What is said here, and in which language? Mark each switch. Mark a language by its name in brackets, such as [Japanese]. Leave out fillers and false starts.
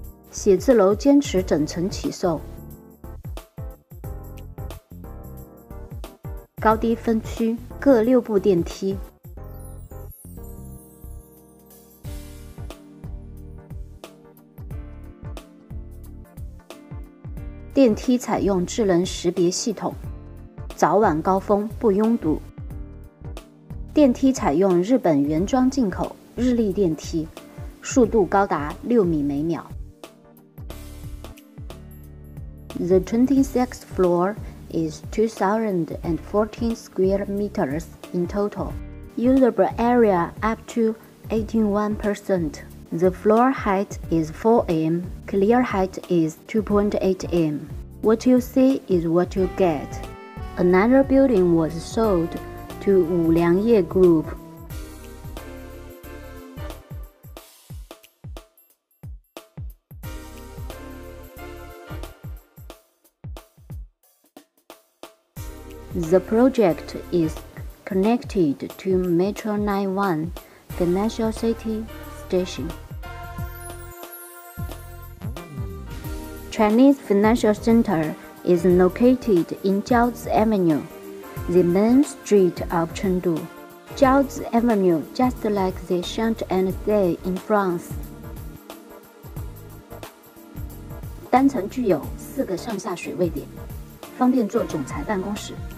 [Chinese] 写字楼坚持整层起售，高低分区各六部电梯，电梯采用智能识别系统，早晚高峰不拥堵，电梯采用日本原装进口日立电梯，速度高达6米每秒。 [English] The 26th floor is 2,014 square meters in total. Usable area up to 81%. The floor height is 4 m. Clear height is 2.8 m. What you see is what you get. Another building was sold to Wu Liangye Group. The project is connected to Metro 91 Financial City Station. Chinese Financial Center is located in Jiaozi Avenue, the main street of Chengdu. Jiaozi Avenue, just like the Champs-Élysées in France. [Chinese] 单层具有四个上下水位点，方便做总裁办公室。